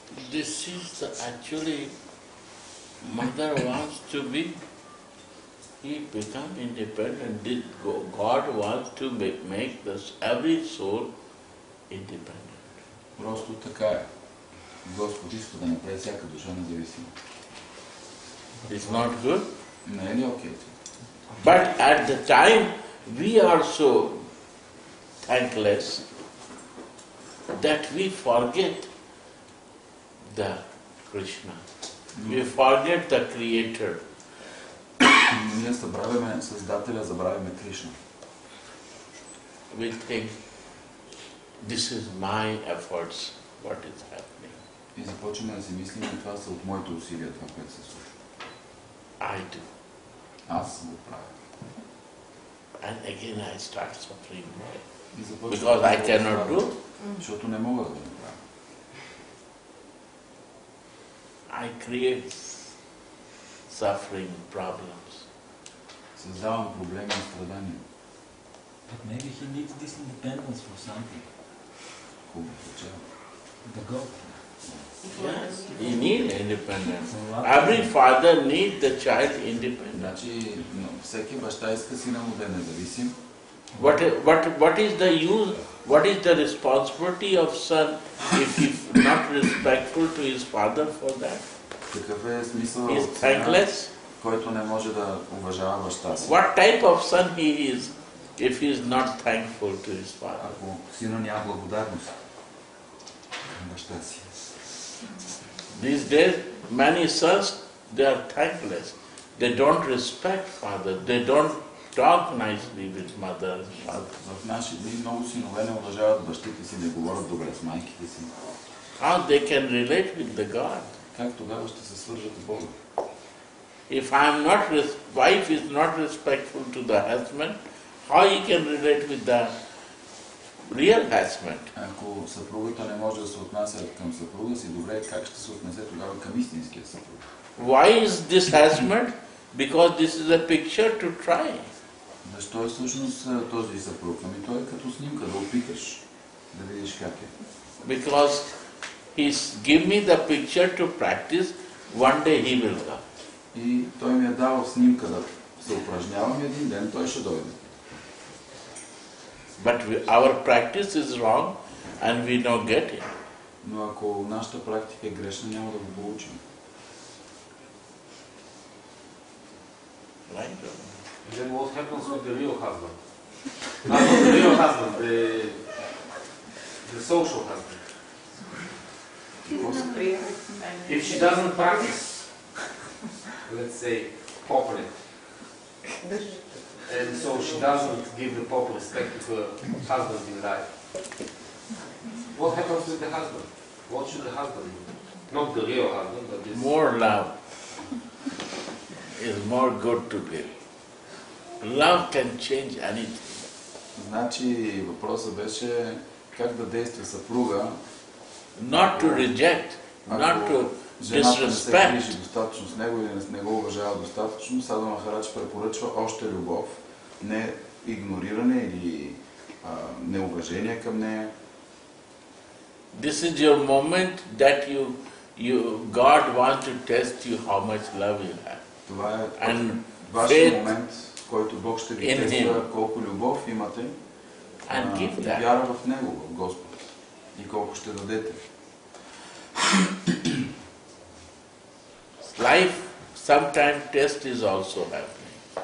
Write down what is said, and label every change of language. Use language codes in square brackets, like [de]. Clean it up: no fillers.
[en] This is the actually mother wants to be he become independent. Did God wants to make this every soul independent? [bg] Просто така е. Господ иска да направи всяка душа независима. [en] It's not good? [bg] Не е ли окей? [en] But at the time we are so thankless that we forget the Krishna. We forget the creator. [bg] Ние забравяме създателя, забравяме Кришна. [en] We think this is my efforts, what is happening. [bg] И започваме да си мислим, това са от моите усилия, това, което се случва. [en] I do. [bg] Аз го правя. [en] And again I start suffering more. Because I cannot do. [bg] Защото не мога да го направя. [en] I create suffering problems. [bg] Създавам проблеми и страдания. [en] But maybe he needs this independence for something. [bg] Кога почава? [en] The God. Yes, he need independence. Every father need the child independent. [bg] Значи, всеки баща иска сина му да е независим. [en] What is the use? What is the responsibility of son if he not respectful to his father for that? [bg] Какъв е смисъл? [en] He is thankless. [bg] Който не може да уважава баща си. [en] What type of son he is if he is not thankful to his father? [bg] Ако сина няма благодарност към баща си. [en] These days, many sons, they are thankless. They don't respect father. They don't talk nicely with mother and father. [bg] В наши дни много синове не уважават бащите си, не говорят добре с майките си. [en] How they can relate with the God? [bg] Как тогава ще се свържат с Бога? [en] If I'm not wife is not respectful to the husband, how he can relate with the real attachment. [bg] Ако съпругата не може да се отнася към съпруга си добре, как ще се отнесе тогава към истинския съпруг? [en] Why is this attachment? Because this is a picture to try. [bg] Защо е всъщност този съпруг? Ами той е като снимка, да опиташ, да видиш как е. [en] Because he give me the picture to practice, one day he will come. [bg] И той ми е дал снимка да се упражнявам, един ден той ще дойде. [en] But our practice is wrong and we don't get it. [bg] Но ако нашата практика е грешна, няма да го получим. [en] Right? And then what happens with the real husband? the social husband. If she doesn't practice, let's say, properly. And so she doesn't give the proper respect to her husband in life. What happens with the husband? What should the husband do? Not the real husband, but this. More love is more good to give. Love can change anything. [bg] Значи въпросът беше как да действа съпруга. [en] Not to reject, not to. [bg] Жената не се грижи достатъчно с него или не го уважава достатъчно, Садо Махарадж препоръчва още любов, не игнориране или неуважение към нея. [en] This is your moment that you God wants to test you how much love you have. [bg] Това е вашият момент, в който Бог ще ви тества колко любов имате и вяра в Него, в Господ, и колко ще дадете. [en] Life sometimes test is also happening.